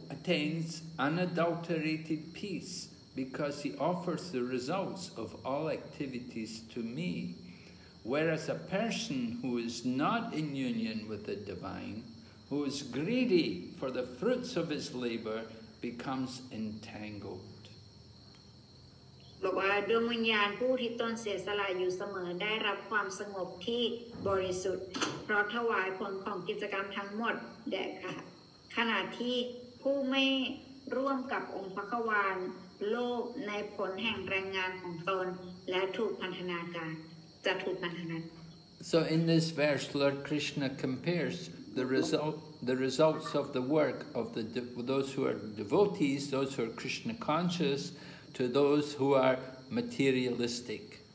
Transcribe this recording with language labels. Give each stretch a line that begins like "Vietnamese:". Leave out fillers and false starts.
English: Attains unadulterated peace because he offers the results of all activities to me. Whereas a person who is not in union with the divine, who is greedy for the fruits of his labor, becomes entangled.
Thai: บอกว่าดวงวิญญาณผู้ที่ตนเสียสละอยู่เสมอได้รับความสงบที่บริสุทธิ์เพราะถวายผลของกิจกรรมทั้งหมดแด่ค่ะขณะที่ผู้ไม่ร่วมกับองค์พระควานโลกในผลแห่งแรงงานของตนและถูกพันธนาการจะถูกพันธนา
English: So in this verse Lord Krishna compares the results of the work of those who are devotees those who are Krishna conscious to those who are materialistic